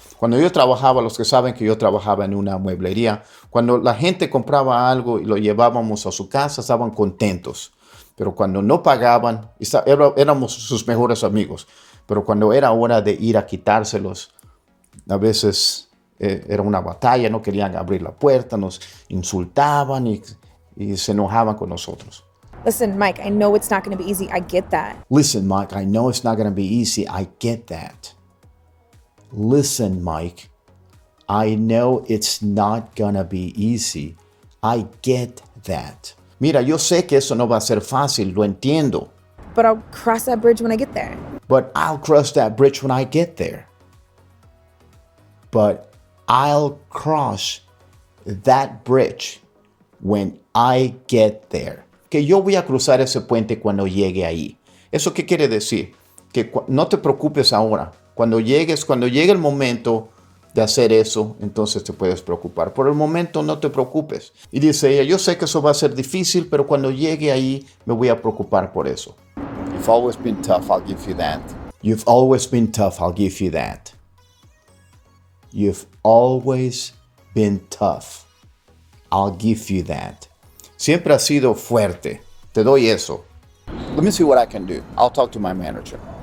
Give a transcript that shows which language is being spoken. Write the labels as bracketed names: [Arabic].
[Spanish] Cuando yo trabajaba, los que saben que yo trabajaba en una mueblería, cuando la gente compraba algo y lo llevábamos a su casa, estaban contentos. Pero cuando no pagaban, éramos sus mejores amigos. Pero cuando era hora de ir a quitárselos, a veces era una batalla, no querían abrir la puerta, nos insultaban y se enojaban con nosotros. [English] Listen, Mike, I know it's not going to be easy. I get that. Listen, Mike, I know it's not going to be easy. I get that. Listen, Mike, I know it's not going to be easy. I get that. [Spanish] Mira, yo sé que eso no va a ser fácil. Lo entiendo. [English] But I'll cross that bridge when I get there. But I'll cross that bridge when I get there. But I'll cross that bridge when I get there. [Spanish] Que yo voy a cruzar ese puente cuando llegue ahí. ¿Eso qué quiere decir? Que no te preocupes ahora. Cuando llegue el momento de hacer eso, entonces te puedes preocupar. Por el momento no te preocupes. Y dice ella, yo sé que eso va a ser difícil, pero cuando llegue ahí me voy a preocupar por eso. [English] You've always been tough, I'll give you that. You've always been tough, I'll give you that. You've always been tough, I'll give you that. [Spanish] Siempre ha sido fuerte. Te doy eso. [English] Let me see what I can do. I'll talk to my manager.